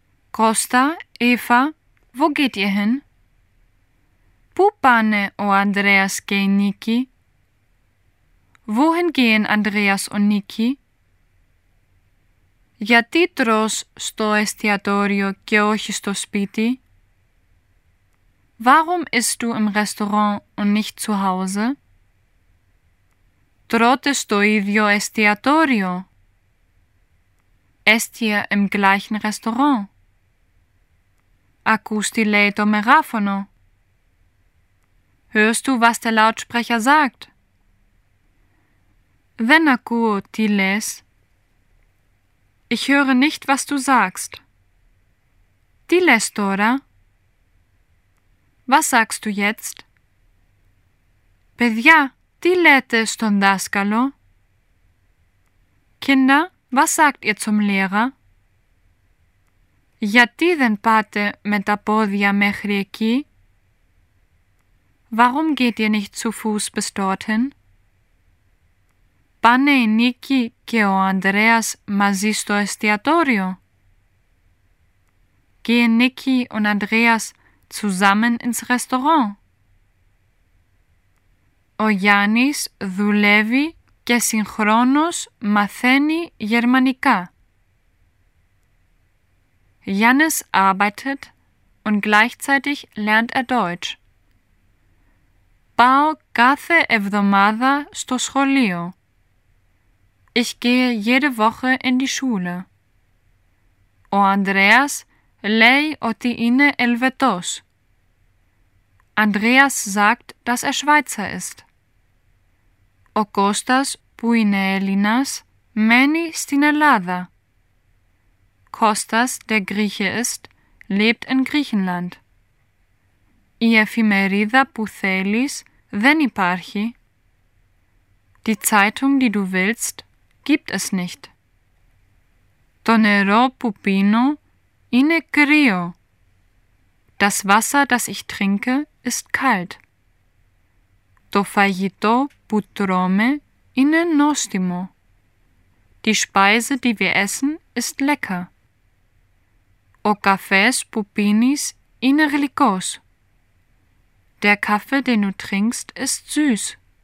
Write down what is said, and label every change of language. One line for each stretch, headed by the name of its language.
German: Κώστα, Εύα, wo geht ihr hin?
Greek: Πού πάνε ο Ανδρέας και η Νίκη?
German: Wohin gehen Andreas und Niki?
Greek: Γιατί τρως στο εστιατόριο και όχι στο σπίτι?
German: Warum isst du im Restaurant und nicht zu Hause?
Greek: Τρώτε στο ίδιο εστιατόριο.
German: Esst ihr im gleichen Restaurant?
Greek: Ακούς τι λέει το μεγάφωνο.
German: Hörst du, was der Lautsprecher sagt?
Greek: Δεν ακούω τι λες.
German: Ich höre nicht, was du sagst.
Greek: Τι λες τώρα?
German: Was sagst du jetzt?
Greek: Παιδιά, τι λέτε στον δάσκαλο?
German: Kinder, was sagt ihr zum Lehrer?
Greek: Γιατί δεν πάτε με τα πόδια μέχρι εκεί?
German: Warum geht ihr nicht zu Fuß bis dorthin?
Greek: Πάνε η Νίκη και ο Ανδρέας μαζί στο εστιατόριο.
German: Gehen Niki und Andreas zusammen ins Restaurant.
Greek: Ο Γιάννης δουλεύει και συγχρόνως μαθαίνει γερμανικά.
German: Janis arbeitet und gleichzeitig lernt er Deutsch.
Greek: Πάω κάθε εβδομάδα στο σχολείο.
German: Ich gehe jede Woche in die Schule.
Greek: Ο Andreas λέει ότι είναι Ελβετός.
German: Andreas sagt, dass er Schweizer ist.
Greek: Ο Κώστας, που είναι Έλληνας, μένει στην Ελλάδα.
German: Κώστας, der Grieche ist, lebt in Griechenland.
Greek: Η εφημερίδα που θέλεις δεν υπάρχει.
German: Die Zeitung, die du willst, gibt es nicht.
Greek: Το νερό που πίνω είναι κρύο.
German: Das Wasser, das ich trinke, ist kalt.
Greek: Το φαγητό που τρώμε είναι νόστιμο.
German: Die Speise, die wir essen, ist lecker.
Greek: Ο καφές που πίνεις είναι γλυκός.
German: Der Kaffee, den du trinkst, ist süß.